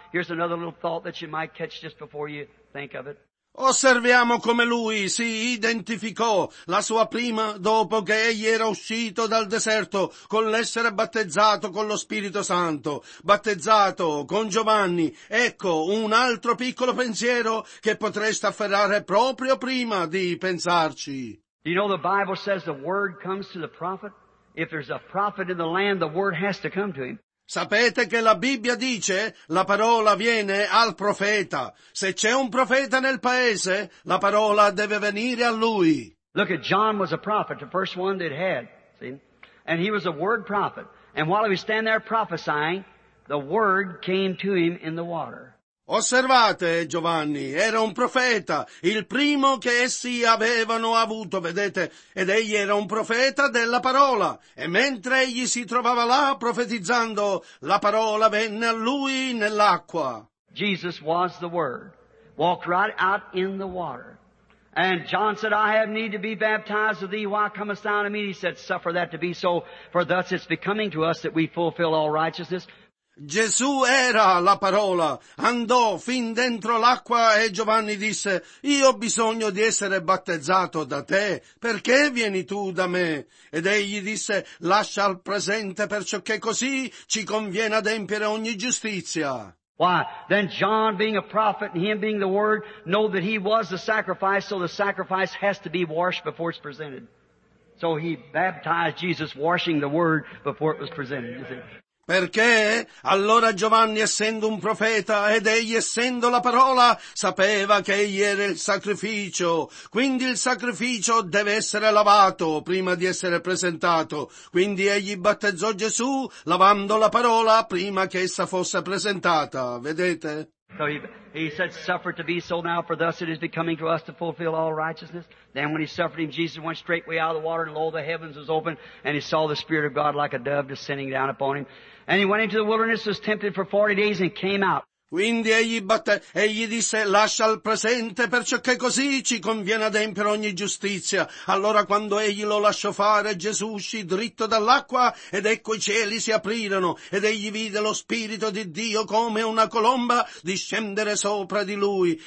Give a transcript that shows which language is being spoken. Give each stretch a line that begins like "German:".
English: Here's another little thought that you might catch just before you think of it.
Italian: Osserviamo come lui si identificò la sua prima dopo che egli era uscito dal deserto con l'essere battezzato con lo Spirito Santo, battezzato con Giovanni. Ecco un altro piccolo pensiero che potreste afferrare proprio prima di pensarci.
English: Do you know the Bible says the word comes to the prophet? If there's a prophet in the land, the word has to come to him.
Italian: Sapete che la Bibbia dice la parola viene al profeta. Se c'è un profeta nel paese, la parola deve venire a lui.
English: Look at John was a prophet, the first one that had, see? And he was a word prophet. And while he was standing there prophesying, the word came to him in the water.
Italian: Osservate, Giovanni, era un profeta, il primo che essi avevano avuto, vedete, ed egli era un profeta della parola, e mentre egli si trovava là profetizzando, la parola venne a lui nell'acqua.
English: Jesus was the Word, walked right out in the water. And John said, I have need to be baptized of thee, why comest thou unto me? He said, suffer that to be so, for thus it's becoming to us that we fulfill all righteousness.
Italian: Gesù era la parola, andò fin dentro l'acqua e Giovanni disse, io ho bisogno di essere battezzato da te, perché vieni tu da me? Ed egli disse, lascia al presente perciò che così ci conviene adempiere ogni giustizia.
English: Why? Then John being a prophet and him being the word, know that he was the sacrifice, so the sacrifice has to be washed before it's presented. So he baptized Jesus washing the word before it was presented. You see?
Italian: Perché allora Giovanni essendo un profeta ed egli essendo la parola sapeva che egli era il sacrificio, quindi il sacrificio deve essere lavato prima di essere presentato, quindi egli battezzò Gesù lavando la parola prima che essa fosse presentata, vedete?
English: So he said, suffer to be so now, for thus it is becoming to us to fulfill all righteousness. Then when he suffered him, Jesus went straightway out of the water, and lo, the heavens was open, and he saw the Spirit of God like a dove descending down upon him. And he went into the wilderness, was tempted for 40 days, and came out.
Italian: Quindi egli disse, lascia il presente, perciò che così ci conviene adempiere ogni giustizia. Allora quando egli lo lasciò fare, Gesù uscì dritto dall'acqua, ed ecco i cieli si aprirono, ed egli vide lo Spirito di Dio come una colomba discendere sopra di lui.